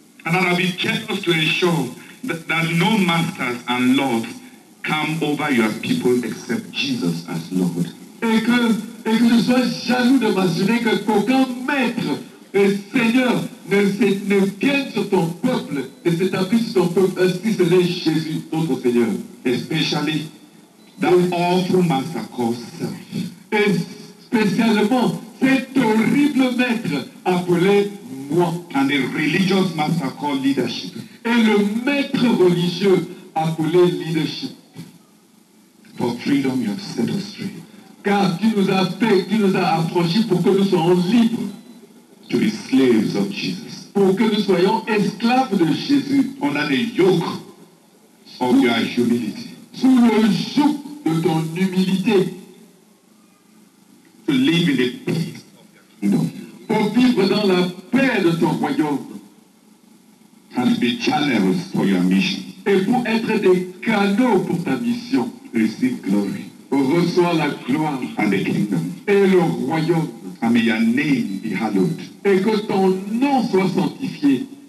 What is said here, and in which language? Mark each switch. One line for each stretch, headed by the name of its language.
English: And that I would be jealous to ensure that no masters and lords come over your people except Jesus as Lord.
French: Et que je sois jaloux de m'assurer que qu'aucun maître et Seigneur ne vienne sur ton peuple et ne s'appuie sur ton peuple ainsi ce n'est Jésus, notre Seigneur.
English: Especially that awful master called self.
French: Et spécialement cet horrible maître appelé moi.
English: And a religious master called leadership.
French: Et le maître religieux appelé leadership.
English: For freedom you have set us free.
French: Car tu nous as fait, tu nous as approchés pour que nous soyons libres.
English: To be slaves of Jesus.
French: Pour que nous soyons esclaves de Jésus.
English: On a les yoke of your humility.
French: Sous le joug de ton humilité.
English: To live in the peace of your kingdom.
French: Pour vivre dans la paix de ton royaume.
English: And to be channels for your mission.
French: Et pour être des canaux pour ta mission.
English: Receive glory.
French: Reçois la gloire
English: and the kingdom.
French: Et le royaume.
English: And may your name be hallowed.
French: Et que ton nom soit sanctifié.